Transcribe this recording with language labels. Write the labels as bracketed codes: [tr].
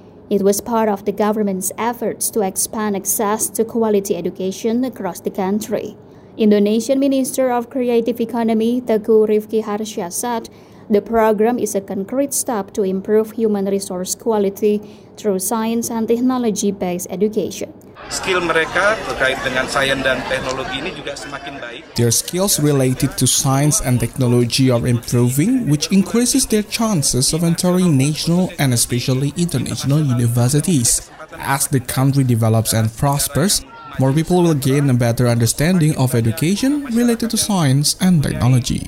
[en] It was part of the government's efforts to expand access to quality education across the country. Indonesian Minister of Creative Economy, Teuku Rifki Harsyah, said The program is a concrete step to improve human resource quality through science and technology-based education. [id] Skill mereka terkait dengan sains dan teknologi ini juga semakin baik. [en] Their skills related to science and technology are improving, which increases their chances of entering national and especially international universities. As the country develops and prospers, more people will gain a better understanding of education related to science and technology.